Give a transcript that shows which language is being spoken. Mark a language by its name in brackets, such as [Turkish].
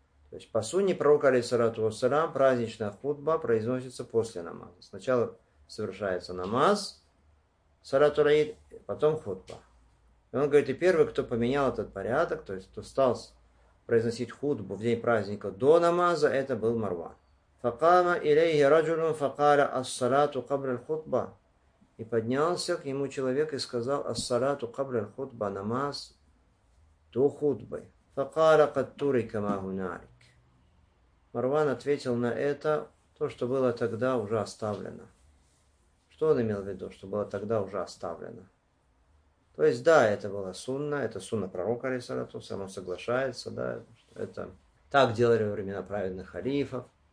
[Russian] То есть по сунне пророка, алейхиссалату вассалям, праздничная хутба произносится после намаза. Сначала совершается намаз, салату аль-Ид, потом хутба. И он говорит, и первый, кто поменял этот порядок, то есть кто стал произносить хутбу в день праздника до намаза, это был Марван. [Arabic] فقام إليه رجل فقال الصلاة قبل الخطبة. [Russian] И поднялся к нему человек и сказал [Arabic] الصلاة قبل الخطبة, [Russian] намаз до хутбы. [Arabic] فقال قد ترك ما هنالك. [Russian] Марван ответил на это, то, что было тогда уже оставлено. Что он имел в виду, что было тогда уже оставлено? То есть да, это была сунна, это сунна пророка алейхиссалату, само соглашается, да, это так делали во времена праведных халифов.